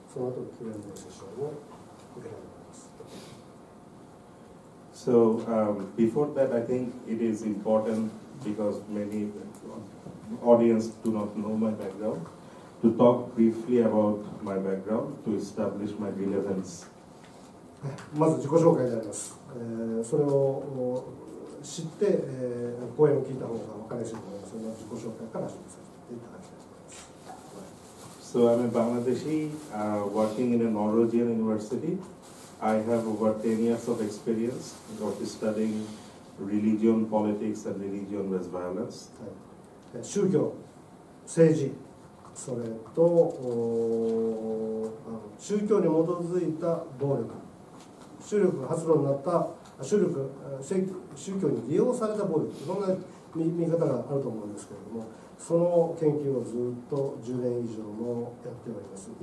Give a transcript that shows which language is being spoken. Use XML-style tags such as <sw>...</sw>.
<ja>その後の Q&A セッションを受けたいと思います。</ja> <en>So、before that I think it is important because many audience do not know my backgroundTo talk briefly about my background to establish my relevance.</en> <ja>まず自己紹介であります。それを知って、講演を聞いた方が分かりやすいと思います。その自己紹介から始めさせていただきたいと思います。</ja> <en>So I'm a Bangladeshi, working in a Norwegian university. I have over 10 years of experience of studying religion, politics, and religion with violence.</en> <ja>宗教、政治、それと宗教に基づいた暴力、宗力が発露になった宗教に利用された暴力、いろんな 見方があると思うんですけれども、その研究をずっと10年以上もやっております。</ja>